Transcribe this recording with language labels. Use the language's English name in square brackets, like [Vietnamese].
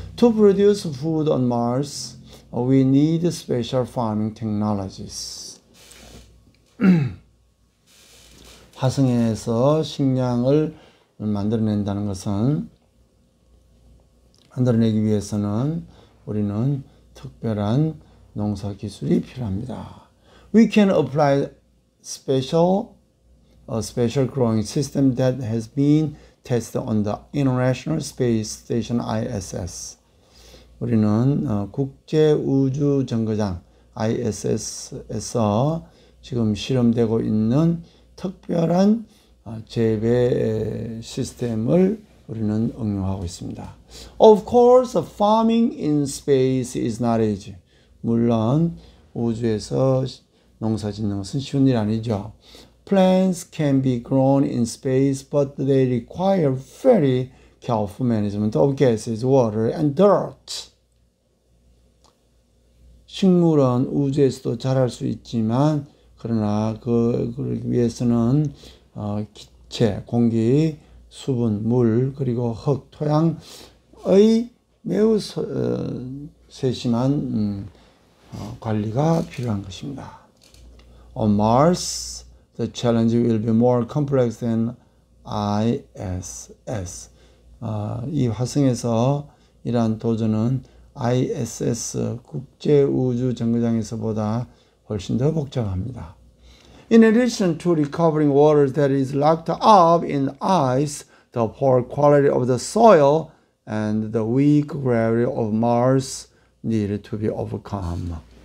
[English] To produce food on Mars, we need special farming technologies. [Korean] 화성에서 식량을 만들어낸다는 것은 만들어내기 위해서는 우리는 특별한 농사 기술이 필요합니다. [English] We can apply a special growing system that has been tested on the International Space Station ISS. [Korean] 우리는 국제 우주 정거장 ISS에서 지금 실험되고 있는 특별한 재배 시스템을 우리는 응용하고 있습니다. [English] Of course, farming in space is not easy. [Korean] 물론 우주에서 농사 짓는 것은 쉬운 일 아니죠. [English] Plants can be grown in space, but they require very careful management of gases, water, and dirt. [Korean] 식물은 우주에서도 자랄 수 있지만 그러나 그걸 위해서는 기체, 공기, 수분, 물, 그리고 흙, 토양의 매우 세심한 관리가 필요한 것입니다. [English] On Mars, the challenge will be more complex than ISS. [Korean] 이 화성에서 이러한 도전은 ISS 국제우주정거장에서보다 훨씬 더 복잡합니다. [English] In addition to recovering water that is locked up in ice, the poor quality of the soil and the weak gravity of Mars need to be overcome.